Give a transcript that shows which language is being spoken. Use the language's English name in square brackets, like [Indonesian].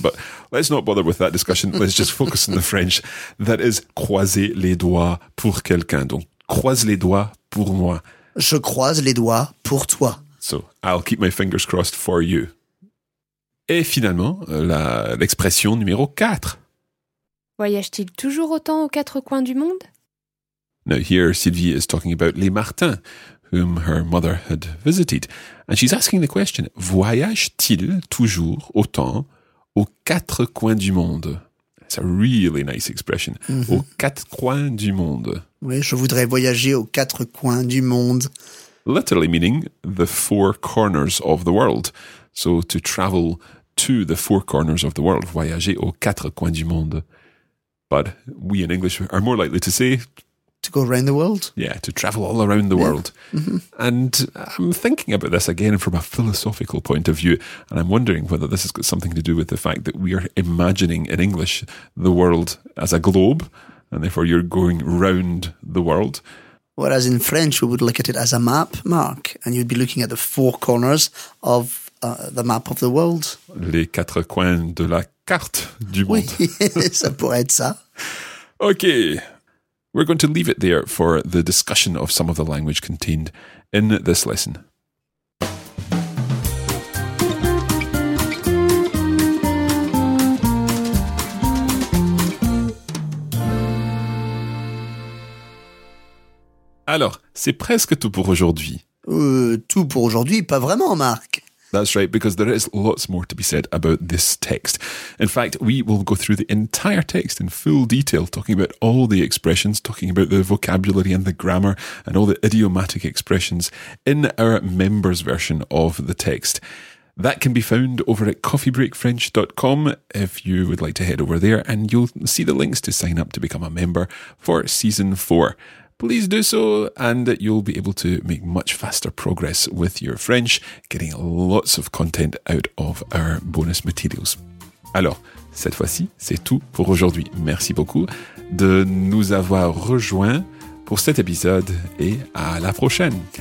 [English] But let's not bother with that discussion. Let's just focus on the French. That is [French] croiser les doigts pour quelqu'un. Donc, croise les doigts pour moi. Je croise les doigts pour toi. [English] So, I'll keep my fingers crossed for you. [French] Et finalement, l'expression numéro 4. Voyage-t-il toujours autant aux quatre coins du monde? [English] Now here, Sylvie is talking about les Martins, whom her mother had visited. And she's asking the question, [French] voyage-t-il toujours autant aux quatre coins du monde? [English] It's a really nice expression. Mm-hmm. [French] Aux quatre coins du monde. Oui, je voudrais voyager aux quatre coins du monde. [English] Literally meaning the four corners of the world. So to travel to the four corners of the world, [French] voyager aux quatre coins du monde. [English] But we in English are more likely to say... To go around the world? Yeah, to travel all around the world. Mm-hmm. And I'm thinking about this again from a philosophical point of view, and I'm wondering whether this has got something to do with the fact that we are imagining in English the world as a globe, and therefore you're going round the world. Whereas in French, we would look at it as a map, Mark, and you'd be looking at the four corners of the map of the world. [French] Les quatre coins de la carte du monde. Oui, ça pourrait être ça. [English] Okay. We're going to leave it there for the discussion of some of the language contained in this lesson. [French] Alors, c'est presque tout pour aujourd'hui. Tout pour aujourd'hui, pas vraiment, Marc. [English] That's right, because there is lots more to be said about this text. In fact, we will go through the entire text in full detail, talking about all the expressions, talking about the vocabulary and the grammar and all the idiomatic expressions in our members' version of the text. That can be found over at coffeebreakfrench.com if you would like to head over there, and you'll see the links to sign up to become a member for Season 4. Please do so, and you'll be able to make much faster progress with your French, getting lots of content out of our bonus materials. [French] Alors, cette fois-ci, c'est tout pour aujourd'hui. Merci beaucoup de nous avoir rejoints pour cet épisode, et à la prochaine.